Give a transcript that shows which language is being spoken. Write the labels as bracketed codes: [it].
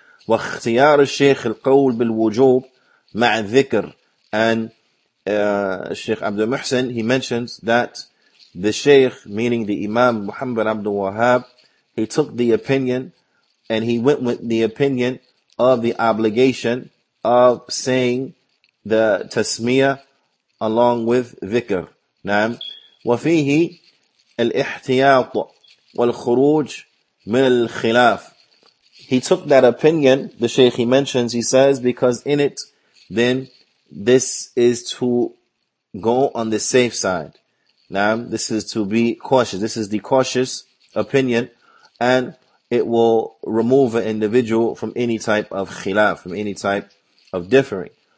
[ar] واختيار الشيخ القول بالوجوب مع الذكر. [en] And Sheikh Abdul Muhsin, he mentions that the Sheikh, meaning the Imam Muhammad Abdul Wahhab, he took the opinion and he went with the opinion of the obligation of saying the tasmiyah along with dhikr. Naam. [ar] وفيه الاحتياط والخروج من الخلاف. [en] He took that opinion, the Shaykh he mentions, he says, because in it, then this is to go on the safe side. Naam. This is to be cautious. This is the cautious opinion, and it will remove an individual from any type of khilaf, from any type of differing.